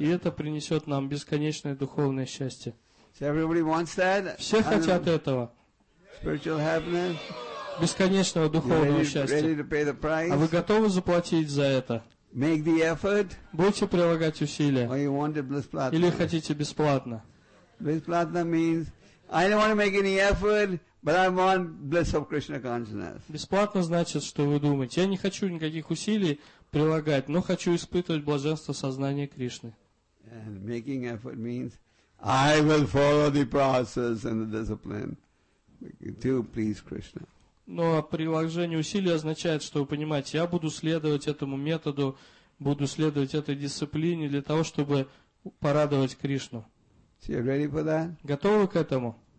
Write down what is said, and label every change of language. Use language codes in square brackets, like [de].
[ru] И это принесет нам бесконечное духовное счастье. [en] So everybody wants that. [ru] Все хотят этого. [en] Spiritual happiness. [ru] Бесконечного духовного счастья. [en] Ready to pay the price? [ru] А вы готовы заплатить за это? [en] Make the effort. [ru] Будете прилагать усилия. [en] Or you want it bliss-platna. [ru] Или хотите бесплатно? [en] Bliss-platna means I don't want to make any effort, but I want bliss of Krishna consciousness. [ru] Бесплатно значит, что вы думаете: я не хочу никаких усилий прилагать, но хочу испытывать блаженство сознания Кришны. [en] And making effort means I will follow the process and the discipline to please Krishna. [ru] Но приложение усилий означает, что вы понимаете, я буду следовать этому методу, буду следовать этой дисциплине для того, чтобы порадовать Кришну. [en] So you're ready for that? [ru] Готовы к этому?